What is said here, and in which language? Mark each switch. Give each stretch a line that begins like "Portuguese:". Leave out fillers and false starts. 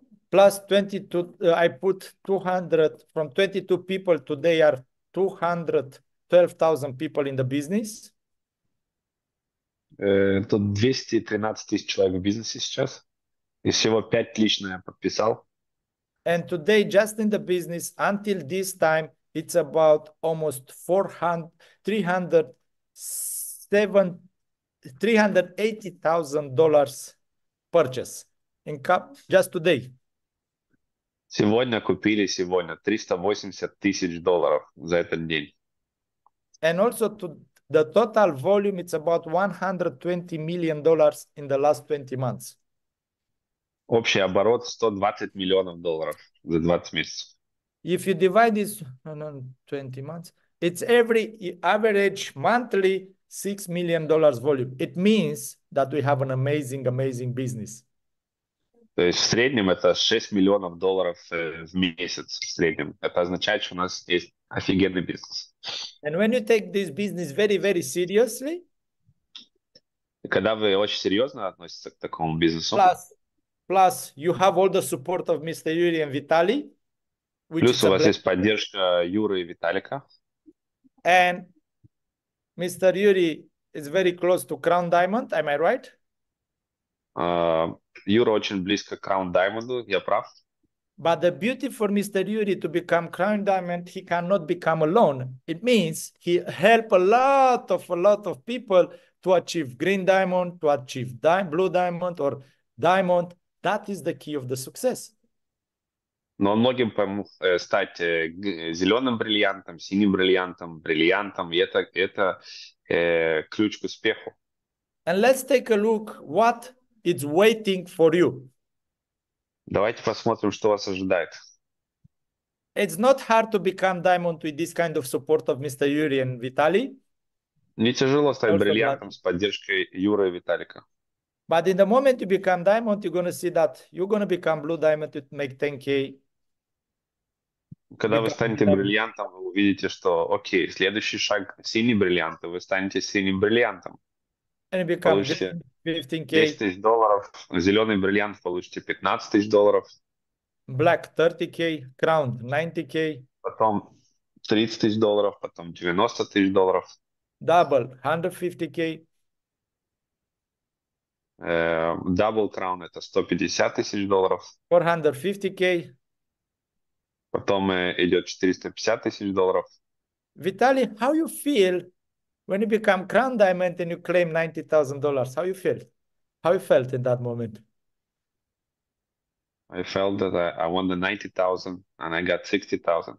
English: Plus 22, I put 200, from 22 people today are 212,000 people in the business.
Russian: Тут 213 тысяч человек в бизнесе сейчас. И всего 5 лично я подписал.
English: And today, just in the business, until this time, it's about almost 380,000 dollars purchase just today.
Russian: Сегодня купили, сегодня 380 тысяч долларов за этот день.
English: And also to the total volume, it's about $120 million in the last 20 months.
Russian: Общий оборот 120 миллионов долларов за 20 месяцев.
English: If you divide this 20 months, it's every average monthly $6 million volume. It means that we have an amazing, amazing business.
Russian: То есть в среднем это 6 миллионов долларов в месяц. В среднем. Это означает, что у нас есть офигенный бизнес.
English: And when you take this business very, very seriously,
Russian: когда вы очень серьезно относитесь к такому бизнесу,
English: plus you have all the support of Mr. Yuri and Vitaly, which
Russian: плюс is у вас есть поддержка Юры и Виталика,
English: and Mr. Yuri is very close to Crown Diamond, am I right?
Russian: Юра очень близко к Crown Diamond, я прав?
English: But the beauty for Mr. Yuri to become Crown Diamond, he cannot become alone. It means he help a lot of people to achieve Green Diamond, to achieve Blue Diamond or Diamond. That is the key of the success.
Russian: Но многим помог стать зеленым бриллиантом, синим бриллиантом, бриллиантом, и это ключ к успеху.
English: And let's take a look what it's waiting for you.
Russian: Давайте посмотрим, что вас ожидает.
English: It's not hard to become diamond with this kind of support of Mr. Yuri and Vitaly.
Russian: Не тяжело стать
English: also
Russian: бриллиантом с поддержкой Юры и Виталика.
English: But in the moment you become diamond, you're going to see that you're going to become blue diamond to make 10K.
Russian: Когда вы станете бриллиантом, вы увидите, что, окей, следующий шаг – синий бриллиант, и вы станете синим бриллиантом.
English: And you become
Russian: получите
English: 15K.
Russian: 10 тысяч долларов, зеленый бриллиант получите 15 тысяч долларов.
English: Black – 30K, crown – 90K.
Russian: Потом 30 тысяч долларов, потом 90 тысяч долларов.
English: Double – 150K.
Russian: Double crown – это 150 тысяч долларов.
English: 450K.
Russian: Потом идет 450 тысяч долларов.
English: Vitaly, how you feel when you become crown diamond and you claim $90,000? How you feel? How you felt in that moment? I felt that I won the 90,000 and I got 60,000.